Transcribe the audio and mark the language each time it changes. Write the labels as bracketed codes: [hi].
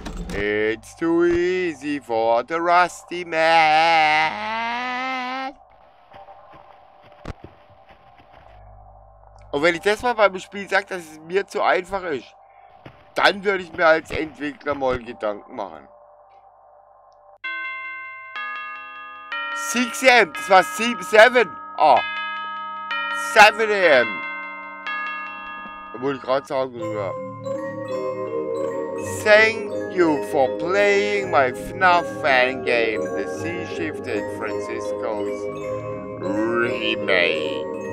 [en] It's too easy for the rusty man. [de] Und wenn ich das mal beim Spiel sage, dass es mir zu einfach ist, dann würde ich mir als Entwickler mal Gedanken machen. 6 AM, das war 7. Oh. 7 AM. Da wollte ich gerade sagen, sogar. [en] Thank you for playing my FNAF fan game, The Sea Shift in Francisco's Remake.